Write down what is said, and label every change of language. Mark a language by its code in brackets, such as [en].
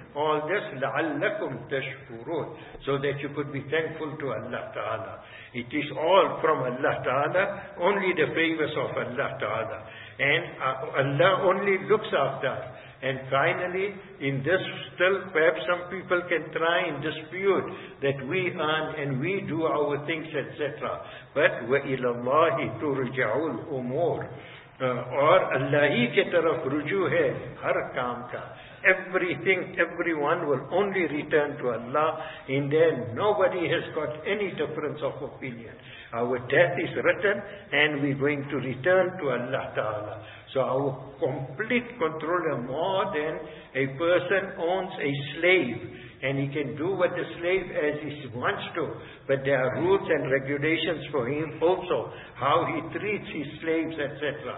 [en] All this, [ar] لَعَلَّكُمْ تَشْكُرُونَ, [en] so that you could be thankful to Allah Ta'ala. It is all from Allah Ta'ala, only the favors of Allah Ta'ala. And Allah only looks after us. And finally, in this still, perhaps some people can try and dispute that we earn and we do our things, etc. But [ar] وَإِلَى اللَّهِ تُرْجَعُ الْأُمُورِ [ur] اور اللہ ہی کے طرف رجوع ہے ہر کام کا. [en] Everything, everyone will only return to Allah, and then nobody has got any difference of opinion. Our death is written and we're going to return to Allah Ta'ala. So our complete control is more than a person owns a slave, and he can do what the slave as he wants to, but there are rules and regulations for him also, how he treats his slaves, etc.